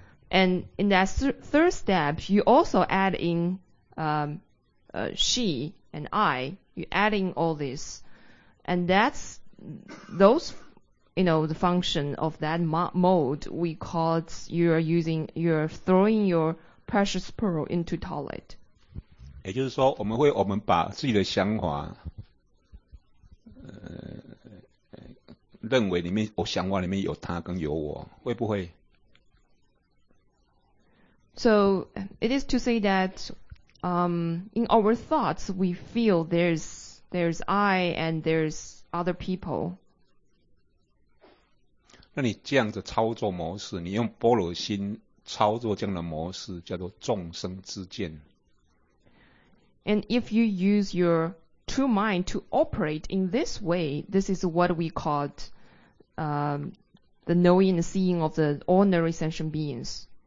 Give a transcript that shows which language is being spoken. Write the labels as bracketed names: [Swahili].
[English] And in that third step, you also add in she and I. You add in all this. And that's those, you know, the function of that mode we call it, you're throwing your precious pearl into toilet. [Chinese] 也就是说我们把自己的想法认为里面我想法里面有他跟有我会不会 [English] So it is to say that in our thoughts we feel there's I and there's other people. [Chinese] 那你这样的操作模式你用般若心操作这样的模式叫做众生之见。 [English] And if you use your true mind to operate in this way, this is what we call the knowing and seeing of the ordinary sentient beings.